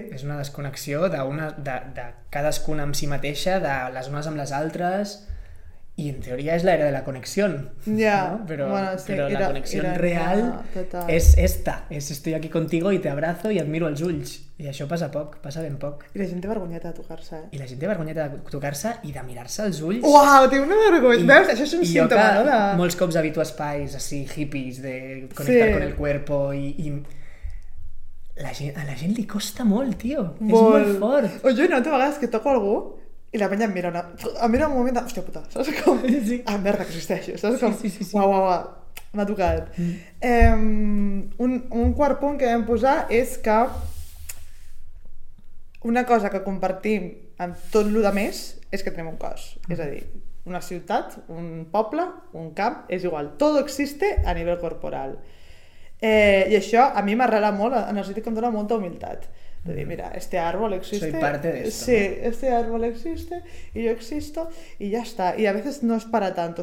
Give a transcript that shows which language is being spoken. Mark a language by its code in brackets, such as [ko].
[ca] És una desconnexió de cadascuna amb si mateixa, de les unes amb les altres, i en teoria és l'era de la connexió. Ja, [en] yeah. [ca] No? Però, bueno, sí, però la connexió real és esta. És [es] estoy aquí contigo y te abrazo y admiro [ca] els ulls. I això passa poc, passa ben poc. I la gent té vergonyeta de tocar-se, eh? I la gent té vergonyeta de tocar-se i de mirar-se els ulls. Uau, tinc una vergonya. Veus? Això és un símptoma, no? De... molts cops habito espais [es] así, [ca] hippies, de connectar sí. [es] Con el cuerpo [ca] i... a la gent li costa molt, tio. Molt. És molt fort. O jo, no, a vegades que toco algú... i la penya em mira un moment de... hòstia puta, saps com? Sí. Ah, merda, que existeixo, saps com? Sí. Uau, m'ha tocat. Mm. Un quart punt que vam posar és que una cosa que compartim amb tot el que més és que tenim un cos. Mm. És a dir, una ciutat, un poble, un camp, és igual. [es] Todo existe [ca] a nivell corporal. I això a mi m'arrela molt, en el sentit que em dona molta humilitat. De dir, mira, [es] este árbol existe. Soy parte de esto. Sí, ¿no? Este árbol existe y yo existo y ya está. Y a veces no es para tanto.